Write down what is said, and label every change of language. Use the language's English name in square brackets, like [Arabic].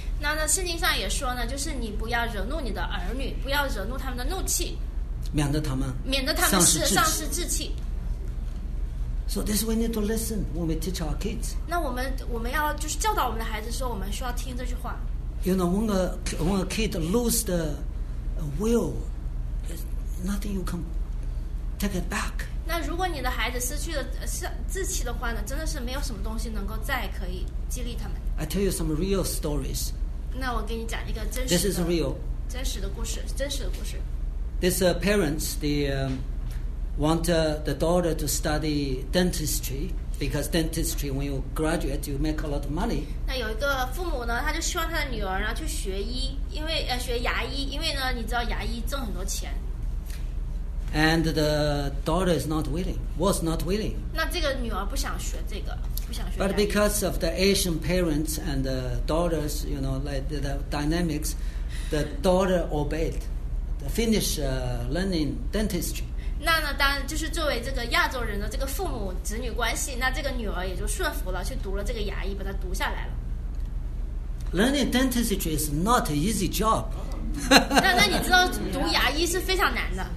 [Chinese] 那在圣经上也说呢，就是你不要惹怒你的儿女，不要惹怒他们的怒气，免得他们丧失志气。 [English] So this we need to listen when we teach our kids. [Chinese] 那我们要就是教导我们的孩子说，我们需要听这句话。 [English] You know, when a kid lose the will, nothing you can. Take it back. [Chinese] 那如果你的孩子失去了志气的话呢，真的是没有什么东西能够再可以激励他们。 [English] I tell you some real stories. [Chinese] 那我给你讲一个真实的。 [English] This is real. [Chinese] 真实的故事。 [English] This parents they want the daughter to study dentistry because dentistry when you graduate you make a lot of money. [Chinese] 那有一个父母呢，他就希望他的女儿呢去学医，学牙医，因为呢你知道牙医挣很多钱。 [English] And the daughter is not willing. Was not willing. [Chinese] 那这个女儿不想学这个，不想学。 [English] But because of the Asian parents and the daughters, you know, like the dynamics, the daughter obeyed, finished learning dentistry. [Chinese] 那呢，当然就是作为这个亚洲人的这个父母子女关系，那这个女儿也就顺服了，去读了这个牙医，把它读下来了。 [English] Learning dentistry is not an easy job. [Chinese] 那你知道读牙医是非常难的。